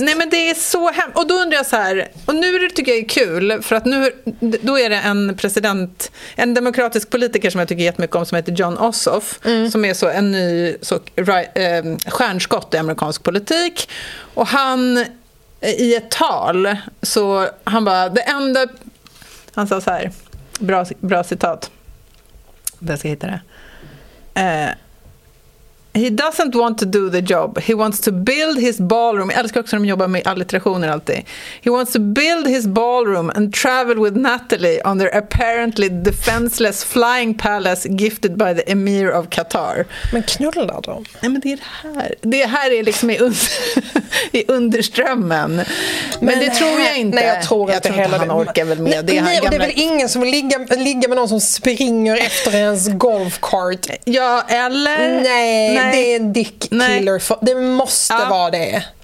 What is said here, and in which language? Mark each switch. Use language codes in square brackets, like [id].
[sv] Nej, men det är så hemskt. Och då undrar jag så här, och nu tycker jag är kul, för att nu då är det en president, en demokratisk politiker som jag tycker jättemycket om, som heter John Ossoff, som är så en ny stjärnskott i amerikansk politik. Och han i ett tal, så han bara, det enda han sa så här, bra citat, där ska jag hitta det. [en] He doesn't want to do the job, he wants to build his ballroom. [sv] Jag älskar också när de jobbar med alliterationer alltid. [en] He wants to build his ballroom and travel with Natalie on their apparently defenseless flying palace gifted by the emir of Qatar. [sv] Men knulla då. Nej, men det här är liksom i underströmmen. Men det tror jag inte. Nej, jag tror inte han orkar väl med det. Nej, det är väl ingen som ligger med någon som springer efter ens golfkart. Ja, eller? Nej. Nej. Det är en dick killer. Det måste vara det.